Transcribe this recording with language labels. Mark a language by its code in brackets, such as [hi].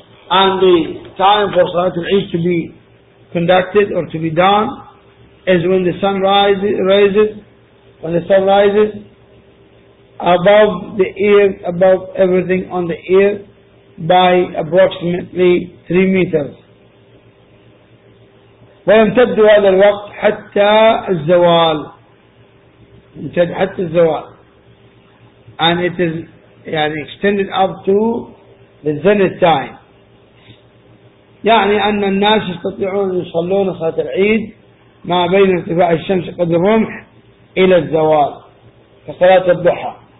[en] And the time for Salatul Eid to be conducted or to be done is when the sun rises, when the sun rises above the ear, above everything on the ear, by approximately 3 meters. [ar] ويمتد هذا الوقت حتى الزوال. يمتد حتى الزوال. [en] And it is يعني extended up to the zenith time. [ar] يعني أن الناس يستطيعون أن يصلون صلاة العيد ما بين ارتفاع الشمس قدر الرمح إلى الزوال كصلاة الضحى.